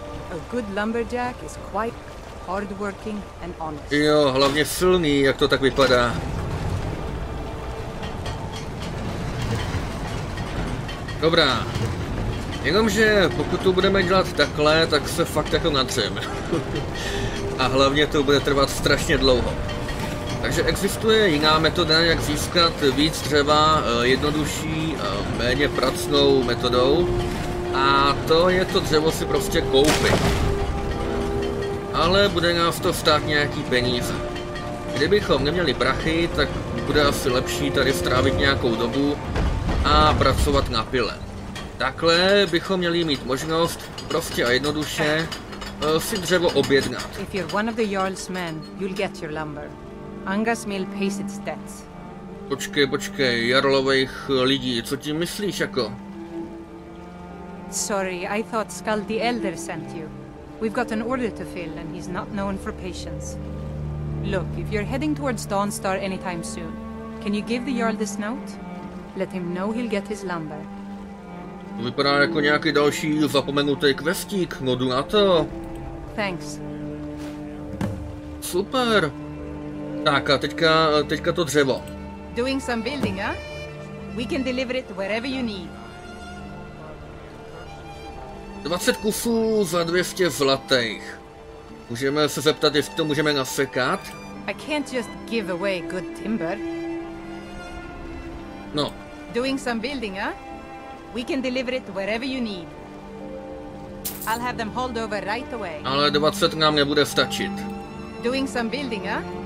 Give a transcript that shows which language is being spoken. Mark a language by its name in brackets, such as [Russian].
[English] A good lumberjack is quite hardworking and honest. [Czech] Jo, hlavně silný, jak to tak vypadá. Dobrá. Jenomže pokud to budeme dělat takhle, tak se fakt jako natřeme. A hlavně to bude trvat strašně dlouho. Takže existuje jiná metoda, jak získat víc dřeva jednodušší, méně pracnou metodou. A to je to dřevo si prostě koupit. Ale bude nás to stát nějaký peníze. Kdybychom neměli prachy, tak bude asi lepší tady strávit nějakou dobu a pracovat na pile. Takhle bychom měli mít možnost prostě a jednoduše si dřevo objednat. [English] If you're one of the Jarl's men, you'll get your lumber. Angus Mill pays its debts. [Czech] Počkej, Jarlových lidí, co tím myslíš jako? [English] Sorry, I thought Skald the Elder sent you. We've got an order to fill and he's not known for patience. Look, if you're heading towards Dawnstar anytime soon, can you give the Jarl this note? Let him know he'll get his lumber. [Czech] Vypadá jako nějaký další zapomenutý kvestík, no jdu na to. [English] Thanks. [Czech] Super. Tak a teďka to dřevo. [English] Doing some building, huh? We can deliver it wherever you need. [Czech] 20 kusů za 200 zlatých. Můžeme se zeptat, jestli to můžeme nasekat? [English] I can't just give away good timber. No, Doing some building, huh? We can deliver it wherever you need. I'll have them hauled over right away. [Czech] Ale 20 nám nebude stačit. [English] Doing some building, huh?